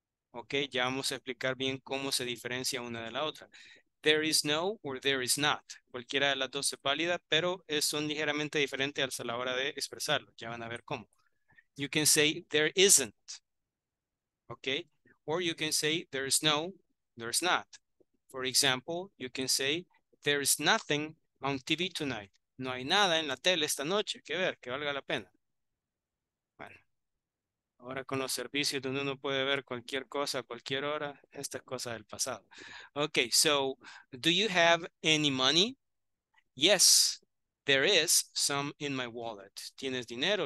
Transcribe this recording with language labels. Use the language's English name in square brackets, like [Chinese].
[Spanish] Ok, ya vamos a explicar bien cómo se diferencia una de la otra. [English] There is no or there is not. [Spanish] Cualquiera de las dos es válida, pero son ligeramente diferentes a la hora de expresarlo. Ya van a ver cómo. [English] You can say there isn't. Ok, or you can say there is no, there is not. For example, you can say there is nothing on TV tonight. [Spanish] No hay nada en la tele esta noche. Que ver, que valga la pena. Ahora con los servicios donde uno puede ver cualquier cosa, cualquier hora, esta es cosa del pasado. [English] Okay, so, do you have any money? Yes, there is some in my wallet. [Spanish] ¿Tienes dinero?